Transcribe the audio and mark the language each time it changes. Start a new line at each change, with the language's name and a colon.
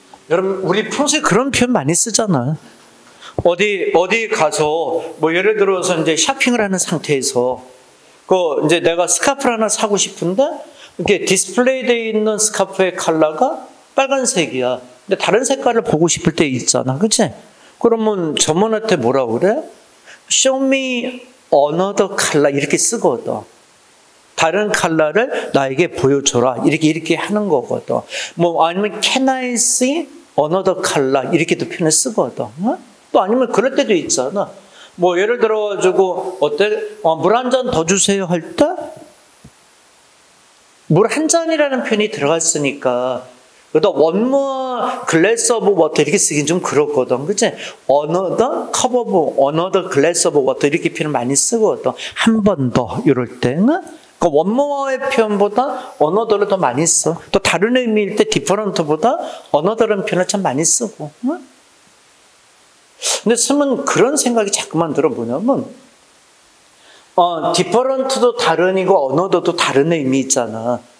Korean: 여러분, 우리 평소에 그런 표현 많이 쓰잖아. 어디 가서, 뭐, 예를 들어서 이제 쇼핑을 하는 상태에서, 그, 이제 내가 스카프를 하나 사고 싶은데, 이렇게 디스플레이되어 있는 스카프의 컬러가 빨간색이야. 근데 다른 색깔을 보고 싶을 때 있잖아. 그치? 그러면 점원한테 뭐라고 그래?
English: Show me another color.
Korean: 이렇게 쓰거든. 다른 컬러를 나에게 보여줘라. 이렇게 하는 거거든. 뭐, 아니면
English: Can I see another color?
Korean: 이렇게도 표현을 쓰거든. 응? 또 아니면 그럴 때도 있잖아. 뭐, 예를 들어가지고, 어때? 물 한 잔 더 주세요. 할 때? 물 한 잔이라는 표현이 들어갔으니까 그래도
English: one more glass of water
Korean: 이렇게 쓰긴 좀 그렇거든. 그치?
English: Another cup of, another glass of water
Korean: 이렇게 표현 많이 쓰거든. 한 번 더 이럴 때는. 그러니까 one more의 표현보다 another를 더 많이 써. 또 다른 의미일 때 different보다 another라는 표현을 참 많이 쓰고. 근데 쓰면 그런 생각이 자꾸만 들어. 뭐냐면 different도 다른이고 another도 다른 의미 있잖아.